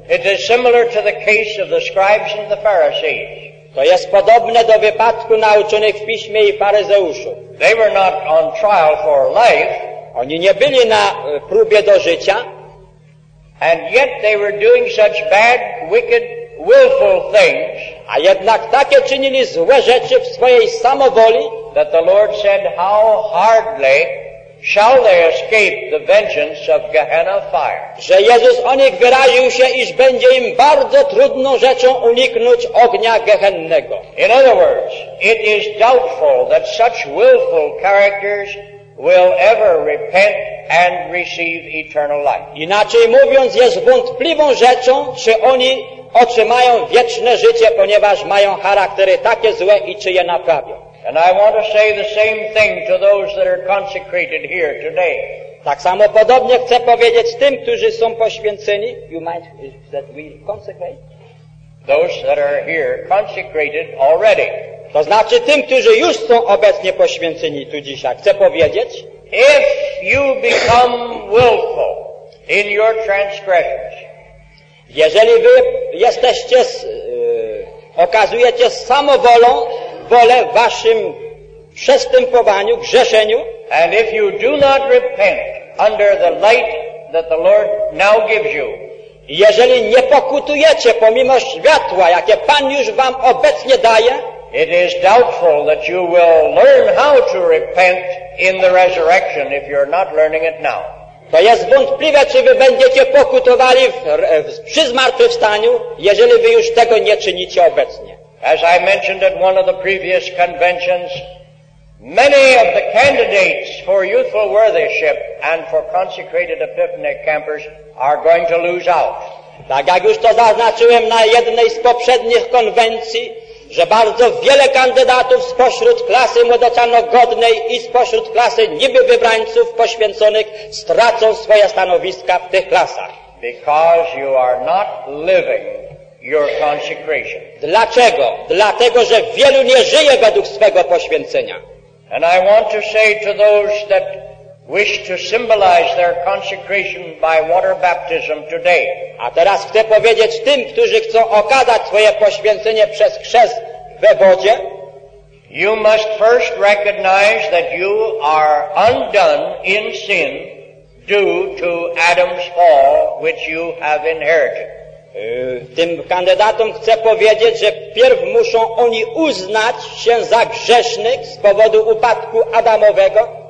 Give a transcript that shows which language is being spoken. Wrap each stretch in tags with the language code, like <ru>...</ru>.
<en>It is similar to the case of the scribes and the Pharisees.</en> <pl>To jest podobne do wypadku nauczonych w piśmie i faryzeuszów.</pl> <en>They were not on trial for life.</en> <pl>Oni nie byli na próbie do życia,</pl> <en>and yet they were doing such bad, wicked, willful things,</en> <pl>a jednak takie czynili złe rzeczy w swojej samowoli,</pl> <en>that the Lord said, how hardly shall they escape the vengeance of Gehenna fire?</en> <pl>Że Jezus o nich wyraził się, iż będzie im bardzo trudną rzeczą uniknąć ognia gehennego.</pl> <en>In other words, it is doubtful that such willful characters will ever repent and receive eternal life.</en> <pl>Inaczej mówiąc, jest wątpliwą rzeczą, czy oni otrzymają wieczne życie, ponieważ mają charaktery takie złe i czy je naprawią.</pl> <en>And I want to say the same thing to those that are consecrated here today.</en> <pl>Tak samo podobnie chcę powiedzieć tym, którzy są poświęceni.</pl> <en>You might that we consecrate those that are here consecrated already.</en> <pl>To znaczy tym, którzy już są obecnie poświęceni tu dzisiaj. Chcę powiedzieć,</pl> <en>if you become willful in your transgressions,</en> <pl>jeżeli wy jesteście, okazujecie samowolą, wolę w waszym przestępowaniu, grzeszeniu,</pl> <en>and if you do not repent under the light that the Lord now gives you,</en> <pl>jeżeli nie pokutujecie pomimo światła, jakie Pan już wam obecnie daje,</pl> <en>it is doubtful that you will learn how to repent in the resurrection if you're not learning it now.</en> <pl>To jest wątpliwe, czy wy będziecie pokutowali przy zmartwychwstaniu, jeżeli wy już tego nie czynicie obecnie.</pl> <en>As I mentioned at one of the previous conventions, many of the candidates for youthful worthyship and for consecrated epiphany campers are going to lose out.</en> <pl>Tak jak już to zaznaczyłem na jednej z poprzednich konwencji, że bardzo wiele kandydatów spośród klasy młodocianogodnej i spośród klasy niby wybrańców poświęconych stracą swoje stanowiska w tych klasach.</pl> <en>Because you are not living your consecration.</en> <pl>Dlaczego? Dlatego, że wielu nie żyje według swego poświęcenia.</pl> <en>And I want to say to those that wish to symbolize their consecration by water baptism today.</en> <pl>A teraz chcę powiedzieć tym, którzy chcą okazać swoje poświęcenie przez chrzest we wodzie.</pl> <en>You must first recognize that you are undone in sin due to Adam's fall, which you have inherited.</en> <pl>Tym kandydatom chcę powiedzieć, że wpierw muszą oni uznać się za grzesznych z powodu upadku Adamowego.</pl>